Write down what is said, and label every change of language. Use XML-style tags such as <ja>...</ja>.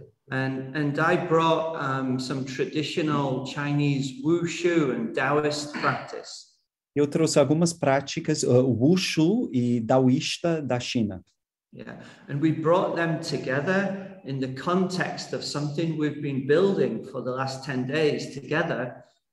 <en>And I brought some traditional Chinese wushu and Taoist practice.</en> <pt>Eu trouxe algumas práticas wushu e daoísta da China.</pt> <en>Yeah, and we brought them together in the context of something we've been building for the last 10 days together.</en>